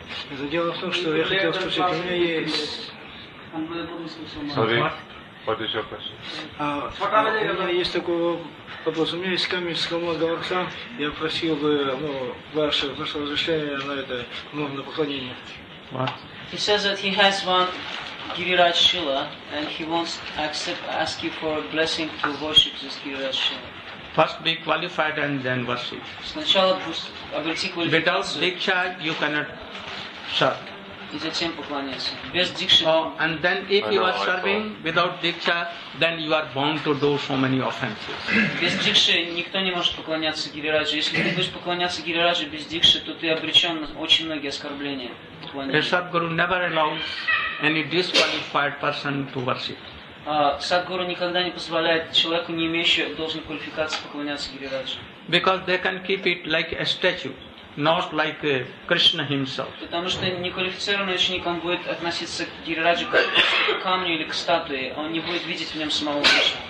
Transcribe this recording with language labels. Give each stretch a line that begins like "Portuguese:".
Russian: Это дело в том, что я хотел спросить, у меня есть...
English: What is your question?
Russian: У меня есть такой подразумевались камни скромного горца, я просил бы ваше разрешение на это на поклонение.
English: He says that he has one Giriraj Shila and he wants ask you for a blessing to worship this Giriraj Shila. First be qualified and then worship.
Russian: Сначала обрети квалификацию.
English: Without diksha you cannot serve.
Russian: И зачем поклоняться? Без дикши.
English: Oh, and then if you are serving without diksha, then you are bound to do so many offenses.
Russian: Без дикши никто не может поклоняться Гирираджу. Если ты будешь поклоняться Гирираджу без дикши, то ты обречен на очень многие оскорбления.
English: Садхгуру never allows any disqualified person to worship.
Russian: Садхгуру никогда не позволяет человеку, не имеющему должной квалификации, поклоняться Гирираджу.
English: Because they can keep it like a statue. Not like Krishna himself.
Russian: Потому что неквалифицированный ученик он будет относиться к Гирираджу как к камню или к статуе, он не будет видеть в нем самого Кришну.